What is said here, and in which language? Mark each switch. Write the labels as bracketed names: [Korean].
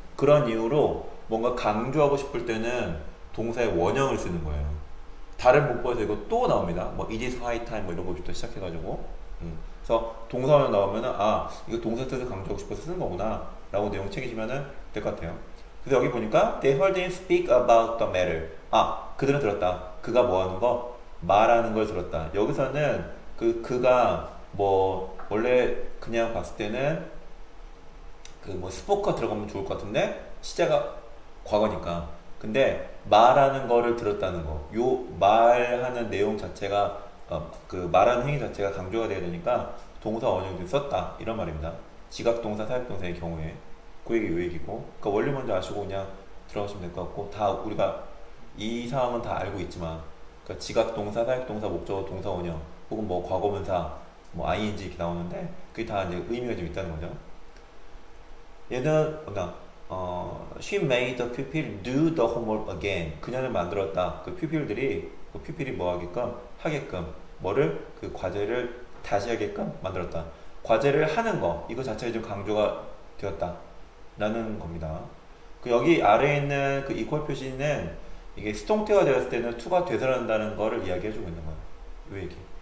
[Korean] 그런 이유로 뭔가 강조하고 싶을 때는 동사의 원형을 쓰는 거예요. 다른 문법에서 이거 또 나옵니다. 뭐 [English] it is high time [Korean] 뭐 이런 것부터 시작해가지고. 그래서 동사 원형 나오면은 아 이거 동사 뜻을 강조하고 싶어서 쓰는 거구나 라고 내용 챙기시면은 될것 같아요. 그래서 여기 보니까 [English] they heard him speak about the matter. [Korean] 아 그들은 들었다. 그가 뭐 하는 거? 말하는 걸 들었다. 여기서는 그가 뭐 원래 그냥 봤을 때는 그뭐 스포커 들어가면 좋을 것 같은데 시제가 과거니까. 근데 말하는 거를 들었다는 거. 요 말하는 내용 자체가 그 말하는 행위 자체가 강조가 되어야 되니까 동사 원형도 썼다 이런 말입니다. 지각 동사, 사역 동사의 경우에 그 얘기 요 얘기고. 그러니까 원리 먼저 아시고 그냥 들어가시면 될것 같고. 다 우리가 이 상황은 다 알고 있지만, 그러니까 지각 동사, 사역 동사, 목적어, 동사 원형 혹은 뭐 과거분사 뭐 ing 이렇게 나오는데 그게 다 이제 의미가 좀 있다는 거죠. 얘는 뭐냐? [English] She made the pupil do the homework again. [Korean] 그녀는 만들었다. 그 pupil들이 그 pupil이 뭐 하게끔 뭐를 그 과제를 다시 하게끔 만들었다. 과제를 하는 거 이거 자체에 좀 강조가 되었다라는 겁니다. 그 여기 아래에 있는 그 equal 표시는 이게 수동태가 되었을 때는 to가 되살아난다는 거를 이야기해주고 있는 거예요. 왜 이게?